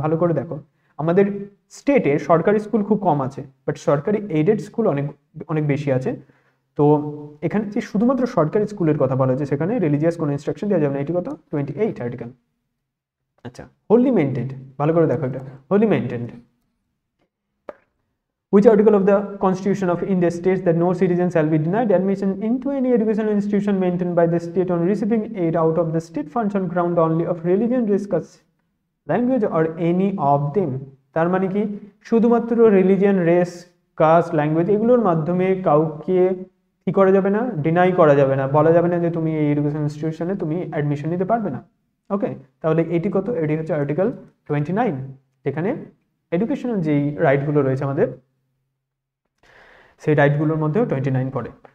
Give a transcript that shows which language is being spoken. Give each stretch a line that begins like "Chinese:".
Bangla: ভালো করে দেখো, আমাদের স্টেটে সরকারি স্কুল খুব কম আছে, বাট সরকারি এইডেড স্কুল অনেক অনেক বেশি আছে। তো এখানে যে শুধুমাত্র সরকারি স্কুলের কথা বলা হয়েছে সেখানে রিলিজিয়াস কোনো ইনস্ট্রাকশন দেওয়া যাবে না, এটি কত 28 আর্টিকেল। আচ্ছা, হোলি মেইনটেইনড, ভালো করে দেখো এটা Holi maintained.
English: Which article of the constitution of India states that no citizen shall be denied admission into any educational institution maintained by the state on receiving aid out of the state funds on ground only of religion, race, language or any of them?
Bangla: তার মানে কি, শুধুমাত্র religion, race, caste, language এগুলোর মাধ্যমে কাউকে কি করা যাবে না, ডিনাই করা যাবে না, বলা যাবে না যে তুমি এই এডুকেশন ইনস্টিটিউশনে তুমি অ্যাডমিশন নিতে পারবে না। ওকে, তাহলে এটি কত, এটি হচ্ছে আর্টিকেল 29, যেখানে এডুকেশনাল যেই রাইটগুলো রয়েছে আমাদের সেই রাইটগুলোর মধ্যেও 29 পড়ে।